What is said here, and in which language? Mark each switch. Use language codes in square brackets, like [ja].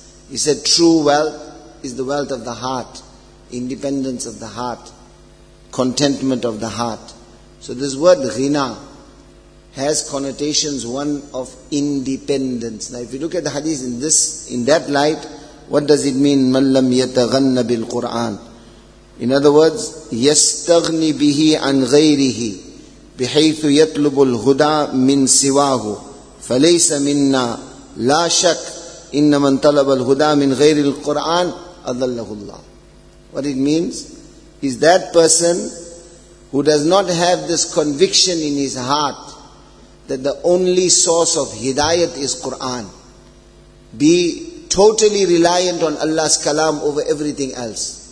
[en] He said, true wealth is the wealth of the heart, independence of the heart, contentment of the heart. So this word ghina has connotations, one of independence. Now if you look at the hadith in that light, what does it mean? [ar] مَنْ لَمْ يَتَغَنَّ بِالْقُرْآنِ. [en] In other words, [ar] يَسْتَغْنِ بِهِ عَنْ غَيْرِهِ بِحَيْثُ يَطْلُبُ الْهُدَى مِنْ سِوَاهُ فَلَيْسَ مِنَّا لَا شَكْ إِنَّ مَنْ طَلَبَ الْهُدَى مِنْ غَيْرِ الْقُرْآنِ أَضَلَّهُ اللَّهُ. [en] What it means is that person who does not have this conviction in his heart that the only source of hidayat is Quran, be totally reliant on Allah's kalam over everything else.